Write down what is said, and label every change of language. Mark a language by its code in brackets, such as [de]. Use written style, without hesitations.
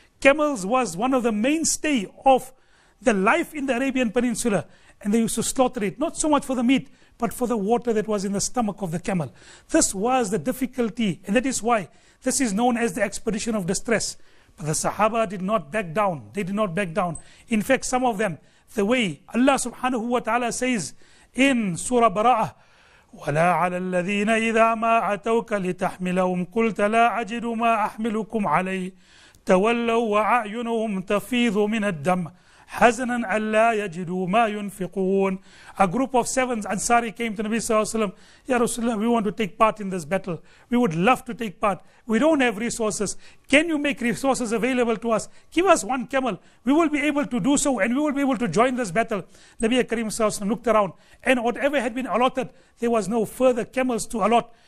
[en] Camels was one of the mainstay of the life in the Arabian Peninsula, and they used to slaughter it, not so much for the meat, but for the water that was in the stomach of the camel. This was the difficulty, and that is why this is known as the expedition of distress. But the Sahaba did not back down. They did not back down. In fact, some of them, the way Allah subhanahu wa ta'ala says in Surah Bara'ah, [ar] وَلَا عَلَى الَّذِينَ إِذَا مَا أَتَوْكَ لِتَحْمِلَهُمْ قُلْتَ لَا أَجِدُ مَا أَحْمِلُكُمْ عَلَيْهِ تَوَلَّوْا وَأَعْيُنُهُمْ تَفِيضُ مِنَ الدَّمِ حَزَنًا أَلَّا يَجِدُوا مَا يُنْفِقُونَ. [en] A group of seven Ansari came to Nabi Sallallahu Alaihi Wasallam. "Ya Rasulullah, we want to take part in this battle. We would love to take part. We don't have resources. Can you make resources available to us? Give us one camel. We will be able to do so, and we will be able to join this battle." Nabi Karim Sallallahu Alaihi Wasallam looked around, and whatever had been allotted, there was no further camels to allot.